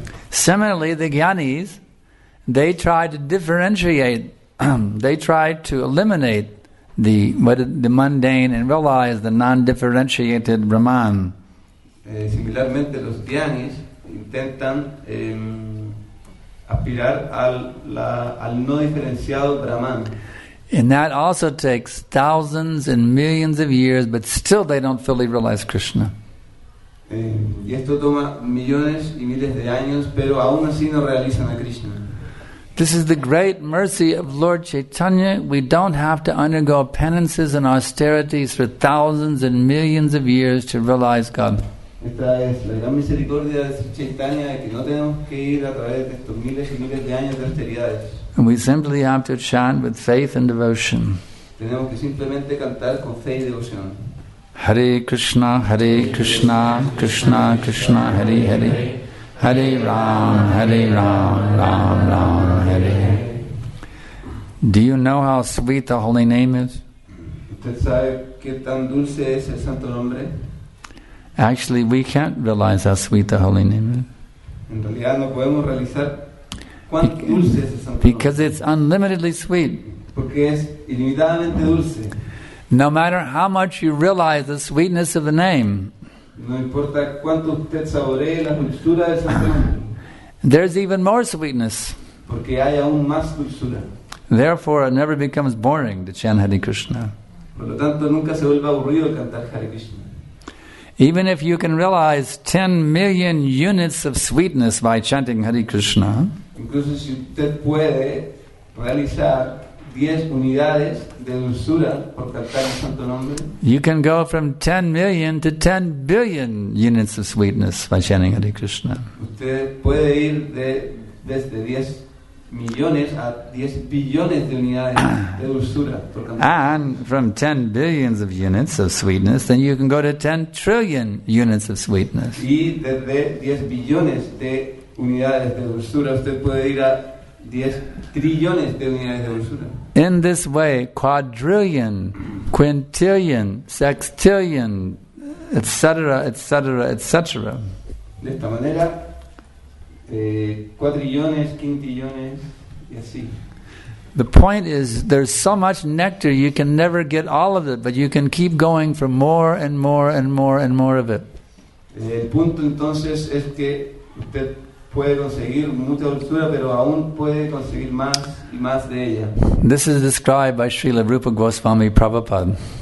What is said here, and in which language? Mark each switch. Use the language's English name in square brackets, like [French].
[English] Similarly, the jnanis, they try to differentiate, they try to eliminate the mundane and realize the non-differentiated Brahman. [Spanish] Similarmente, los jnanis intentan aspirar al no diferenciado Brahman. [English] And that also takes thousands and millions of years, but still they don't fully realize Krishna. [Spanish] Y esto toma millones y miles de años, pero aún así no realizan a Krishna. [English] This is the great mercy of Lord Chaitanya. We don't have to undergo penances and austerities for thousands and millions of years to realize God. [Spanish] Esta es la gran misericordia de Sri Chaitanya, de que no tenemos que ir a través de estos miles y miles de años de austeridades. [English] And we simply have to chant with faith and devotion. [Spanish] Tenemos que simplemente cantar con fe y devoción. [Sanskrit] Hare Krishna, Krishna Krishna, Hare Hare, Hare Ram, Ram Ram, Hare. [English] Do you know how sweet the holy name is? [Spanish] ¿Usted sabe qué tan dulce es el santo nombre? [English] Actually, we can't realize how sweet the holy name is. [Spanish] En realidad no podemos realizar cuán dulce es el santo nombre. [English] Because it's unlimitedly sweet. [Spanish] Porque es ilimitadamente dulce. [English] No matter how much you realize the sweetness of the name, [Spanish] no importa cuánto usted saboree la dulzura del santo nombre, [English] there's even more sweetness. [Spanish] Porque hay aún más dulzura. [English] Therefore, it never becomes boring to chant Hare Krishna. [Spanish] Por lo tanto, nunca se vuelve aburrido cantar Hare Krishna. [English] Even if you can realize 10 million units of sweetness by chanting Hare Krishna, [Spanish] incluso si usted puede realizar 10 unidades de dulzura por cantar el santo nombre. [English] You can go from 10 million to 10 billion units of sweetness by chanting Hare Krishna. [Spanish] Usted puede ir desde 10 millones a 10 billones de unidades de dulzura por cantar. [English] And from 10 billions of units of sweetness, then you can go to 10 trillion units of sweetness. [Spanish] Y desde 10 billones de unidades de dulzura usted puede ir a 10 trillones de unidades de dulzura. [English] In this way, quadrillion, quintillion, sextillion, etc., etc., etc. [Spanish] De esta manera, cuatrillones, quintillones, y así. [English] The point is, there's so much nectar, you can never get all of it, but you can keep going for more and more and more and more of it. [Spanish] El punto entonces es que usted puede conseguir mucha dulzura, pero aún puede conseguir más y más de ella. [English] This is described by Srila Rupa Goswami Prabhupada.